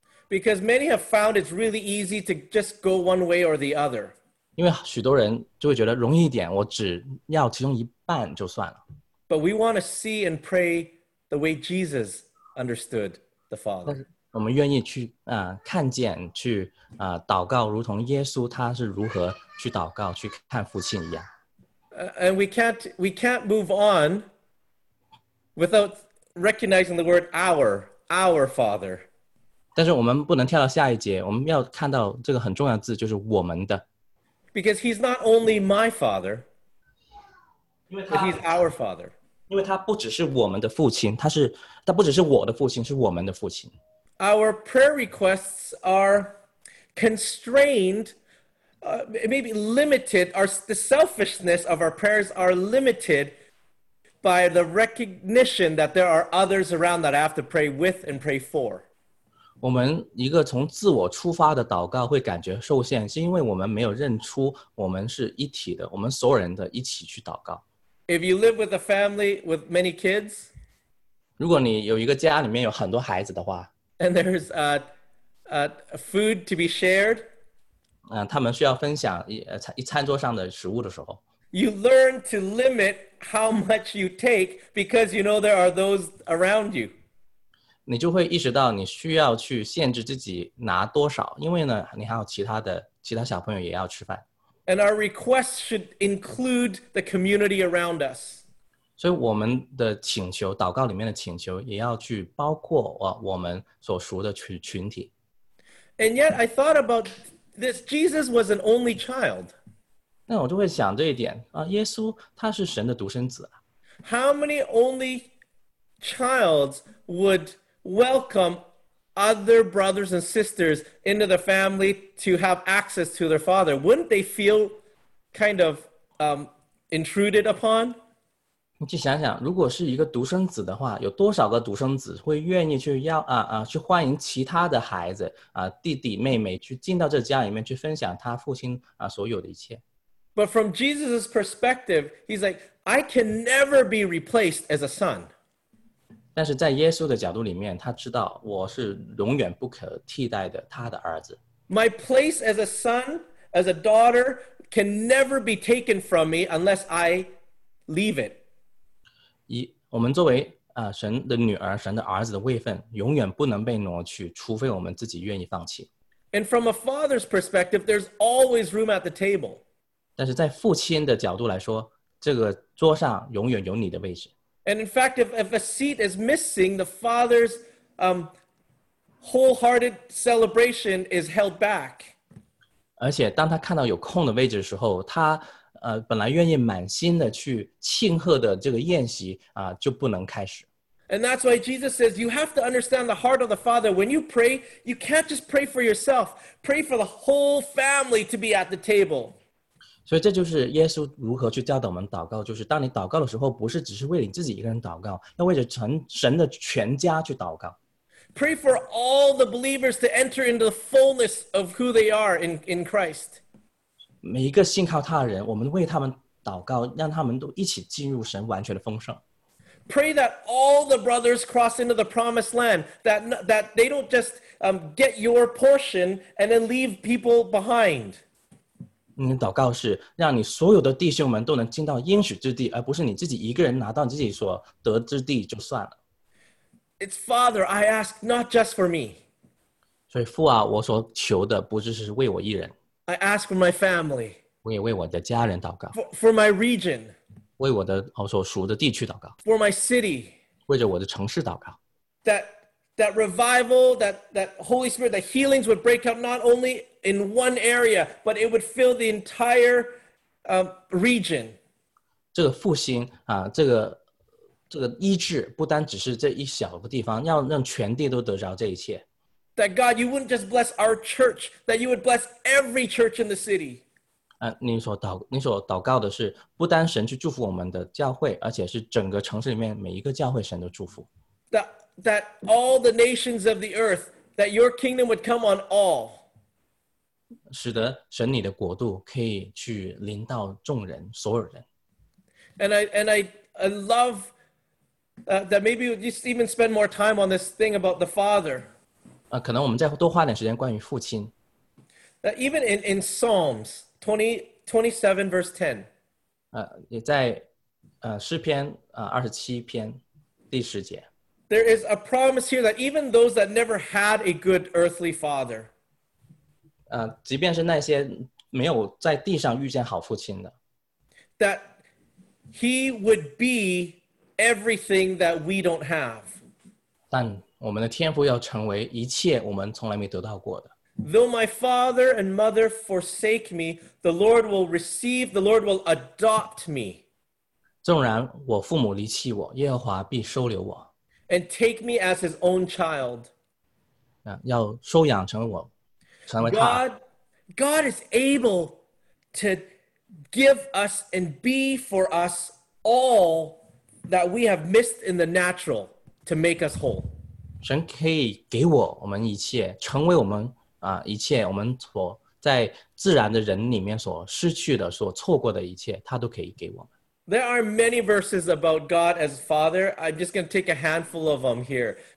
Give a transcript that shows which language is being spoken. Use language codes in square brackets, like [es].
[en] Because many have found it's really easy to just go one way or the other. [zh] 因为许多人就会觉得容易一点，我只要其中一半就算了。 [en] But we want to see and pray the way Jesus understood the Father. [zh] 我们愿意去看见去祷告，如同耶稣他是如何去祷告去看父亲一样。 [en] And we can't move on without recognizing the word our Father. [zh] 但是我们不能跳到下一节，我们要看到这个很重要的字，就是我们的。 [en] Because he's not only my father, but he's our father. [zh] 因为他不只是我们的父亲，他不只是我的父亲，是我们的父亲。 [en] Our prayer requests are constrained, maybe limited, or the selfishness of our prayers are limited by the recognition that there are others around that I have to pray with and pray for. [zh] 我们一个从自我出发的祷告会感觉受限，是因为我们没有认出我们是一体的，我们所有人的一起去祷告。 [en] If you live with a family with many kids, [zh] 如果你有一个家里面有很多孩子的话， [en] and there's a food to be shared, [zh] 他们需要分享一餐桌上的食物的时候， [en] you learn to limit how much you take because you know there are those around you. [zh] 你就会意识到你需要去限制自己拿多少，因为呢，你还有其他小朋友也要吃饭。 [en] And our requests should include the community around us. [zh] 所以我们的请求，祷告里面的请求，也要去包括我们所属的群体。 [en] And yet I thought about this, Jesus was an only child. [zh] 那我就会想这一点，耶稣他是神的独生子。 [en] How many only childs would... welcome other brothers and sisters into the family to have access to their father. Wouldn't they feel kind of intruded upon? [zh] 你去想想，如果是一个独生子的话，有多少个独生子会愿意去要去欢迎其他的孩子弟弟妹妹去进到这家里面去分享他父亲所有的一切。 [en] But from Jesus' perspective, he's like, I can never be replaced as a son. [zh] 但是在耶稣的角度里面，他知道我是永远不可替代的他的儿子。 [en] My place as a son, as a daughter, can never be taken from me unless I leave it. [zh] 我们作为神的女儿，神的儿子的位分，永远不能被挪去，除非我们自己愿意放弃。 [en] And from a father's perspective, there's always room at the table. [zh] 但是在父亲的角度来说，这个桌上永远有你的位置。 [en] And in fact, if a seat is missing, the father's wholehearted celebration is held back. [zh] 而且当他看到有空的位置的时候，他本来愿意满心的去庆贺的这个宴席就不能开始。 [en] And that's why Jesus says, you have to understand the heart of the father. When you pray, you can't just pray for yourself. Pray for the whole family to be at the table. [zh] 所以这就是耶稣如何去教导我们祷告，就是当你祷告的时候，不是只是为你自己一个人祷告，要为着神的全家去祷告。 [en] Pray for all the believers to enter into the fullness of who they are in Christ. [zh] 每一个信靠他的人，我们为他们祷告，让他们都一起进入神完全的丰盛。 [en] Pray that all the brothers cross into the promised land, that they don't just get your portion and then leave people behind. [zh] 你祷告是让你所有的弟兄们都能进到应许之地，而不是你自己一个人拿到你自己所得之地就算了。 [en] It's Father, I ask not just for me. [zh] 所以父啊，我所求的不只是为我一人。 [en] I ask for my family. [zh] 我也为我的家人祷告。 [en] For my region. [zh] 为我的我所属的地区祷告。 [en] For my city. [zh] 为着我的城市祷告。 [en] That revival, that Holy Spirit, that healings would break out not only in one area, but it would fill the entire region. [zh] 这个复兴这个医治不单只是这一小个地方，要让全地都得着这一切。 [en] That God, you wouldn't just bless our church, that you would bless every church in the city. [zh] 你所祷告的是不单神去祝福我们的教会，而且是整个城市里面每一个教会神都祝福。 [en] That all the nations of the earth, that your kingdom would come on all. [zh] 使得神你的国度可以去临到众人，所有人。 [en] And I love that maybe we'll just even spend more time on this thing about the Father. [zh] 可能我们再多花点时间关于父亲。 [en] Even in Psalms 27 verse 10. [zh] 也在诗篇27篇第十节。 [en] There is a promise here that even those that never had a good earthly father, [zh] 即便是那些没有在地上遇见好父亲的， [en] that he would be everything that we don't have. [zh] 但我们的天父要成为一切我们从来没得到过的。 [en] Though my father and mother forsake me, the Lord will receive, the Lord will adopt me. [zh] 纵然我父母离弃我，耶和华必收留我。 [en] And take me as his own child. [zh] 要收养成为我，成为他。 [en] God is able to give us and be for us all that we have missed in the natural to make us whole. [zh] 神可以给我我们一切，成为我们一切我们所在自然的人里面所失去的，所错过的一切，他都可以给我们。 [en] There are many verses about God as Father. I'm just going to take a handful of them here.